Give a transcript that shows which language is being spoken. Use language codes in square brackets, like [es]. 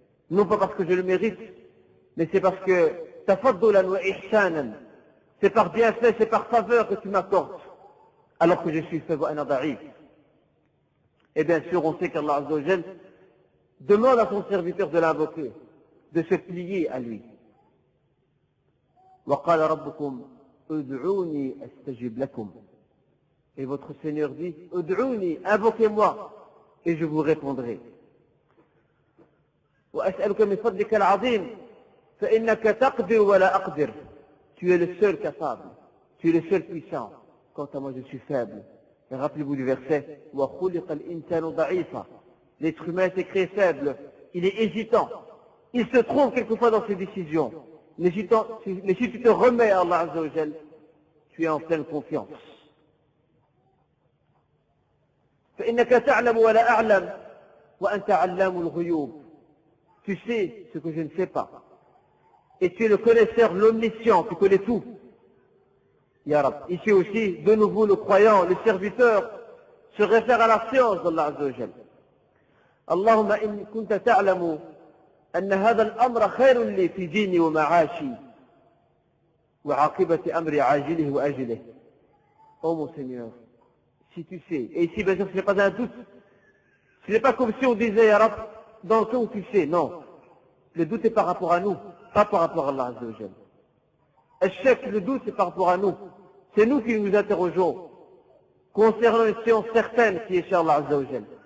[fr] Non pas parce que je le mérite, mais c'est parce que [ar] tafaddulan wa ihsanan. [fr] C'est par bienfait, c'est par faveur que tu m'accordes. Alors que je suis faible, [ar] ana da'if. [fr] Et bien sûr, on sait qu'Allah Azza wa Jal demande à son serviteur de l'invoquer, de se plier à lui. [ar] وقال ربكم ادعوني استجب لكم. [fr] Et votre Seigneur dit ادعوني, invoquez-moi et je vous répondrai. [ar] واسالك من فضلك العظيم فانك تقدر ولا اقدر. [fr] Tu es le seul capable, tu es le seul puissant. Quant à moi, je suis faible. Et rappelez-vous du verset [ar] وخلق الانسان ضعيفا. [fr] L'être humain s'est créé faible, il est hésitant, il se trompe quelquefois dans ses décisions. Mais si tu te remets à Allah Azza wa Jal, tu es en pleine confiance. [ar] فَإِنَّكَ تَعْلَمُ وَلَا أَعْلَمُ وَأَنْتَ عَلَّامُ الْغُيُوبِ. [fr] Tu sais ce que je ne sais pas. Et tu es le connaisseur, l'omniscient, tu connais tout. Ya Rab. Ici aussi, de nouveau, le croyant, le serviteur, se réfère à la science d'Allah Azza wa Jal. [ar] اللَّهُمَّ إِنْ كُنْتَ تَعْلَمُ أن هذا الأمر خير لي في ديني ومعاشي وعاقبة أمري عاجله وأجله. [fr] Oh mon Seigneur, si tu sais, et ici bien sûr ce n'est pas un doute, ce n'est pas comme si on disait ya Rab, dans ton tu sais, non. Le doute est par rapport à nous, pas par rapport à Allah Azza wa Jalla. Al-Shak, le doute est par rapport à nous. C'est nous qui nous interrogeons concernant une science certaine qui est chez Allah Azza wa Jalla.